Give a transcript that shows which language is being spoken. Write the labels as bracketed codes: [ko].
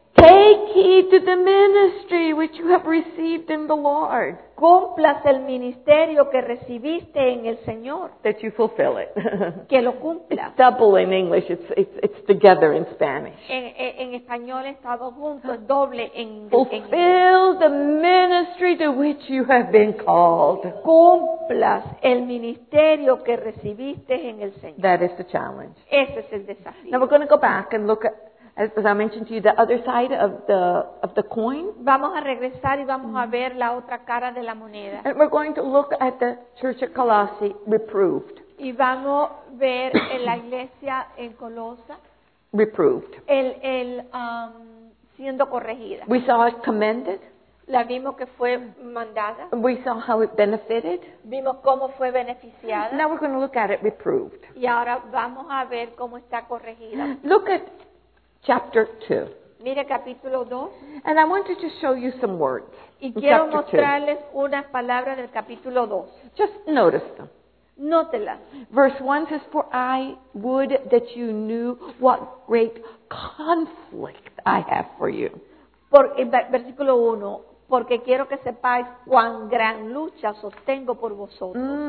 [en] Take heed to the ministry which you have received in the Lord. [es] Cumplas el ministerio que recibiste en el Señor. [en] That you fulfill it. [es] Que lo cumpla. [en] It's double in English. It's together in Spanish. [es] En español está dos juntos, doble en inglés. [en] Fulfill the ministry to which you have been called. [es] Cumplas el ministerio que recibiste en el Señor. [en] That is the challenge. [es] Ese es el desafío. [en] Now we're going to go back and look at, as I mentioned to you, the other side of the coin. [es] Vamos a regresar y vamos a ver la otra cara de la moneda. [en] And we're going to look at the church at Colossae reproved. [es] Y vamos a ver en la iglesia en Colosa. [en] Reproved. [es] El siendo corregida. [en] We saw it commended. [es] La vimos que fue mandada. [en] We saw how it benefited. [es] Vimos cómo fue beneficiada. [en] Now we're going to look at it reproved. [es] Y ahora vamos a ver cómo está corregida. [en] Look at chapter 2. [es] Mire capítulo 2. [en] And I want to just show you some words. [es] Y quiero mostrarles unas palabras del capítulo 2. [en] Just notice them. [es] Nótelas. [en] Verse 1 says, "For I would that you knew what great conflict I have for you." [es] Versículo 1. Porque quiero que sepáis cuán gran lucha sostengo por vosotros.